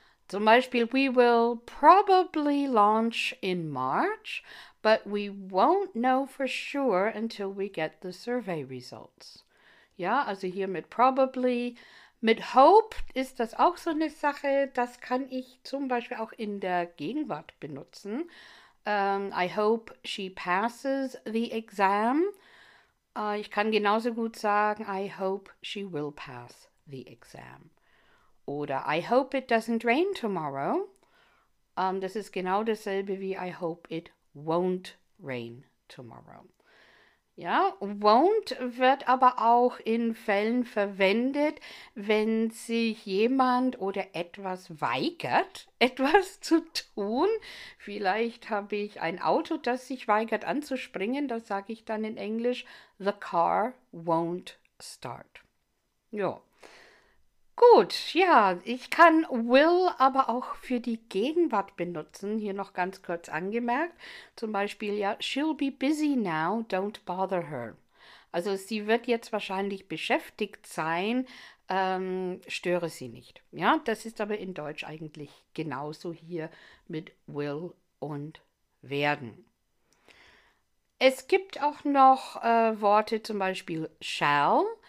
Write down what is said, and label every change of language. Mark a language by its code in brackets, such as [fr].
[en] Zum Beispiel, we will probably launch in March, but we won't know for sure until we get the survey results. [de] Ja, also hier mit probably, mit hope ist das auch so eine Sache, das kann ich zum Beispiel auch in der Gegenwart benutzen. [en] I hope she passes the exam. Ich kann genauso gut sagen, I hope she will pass the exam. Oder I hope it doesn't rain tomorrow. Das ist genau dasselbe wie I hope it won't rain tomorrow. [de] Ja, won't wird aber auch in Fällen verwendet, wenn sich jemand oder etwas weigert, etwas zu tun. Vielleicht habe ich ein Auto, das sich weigert anzuspringen. Das sage ich dann in Englisch. The car won't start. Ja. Gut, ja, ich kann will aber auch für die Gegenwart benutzen. Hier noch ganz kurz angemerkt. Zum Beispiel, ja, [en] she'll be busy now, don't bother her. [de] Also, sie wird jetzt wahrscheinlich beschäftigt sein, störe sie nicht. Ja, das ist aber in Deutsch eigentlich genauso hier mit will und werden. Es gibt auch noch Worte, zum Beispiel shall.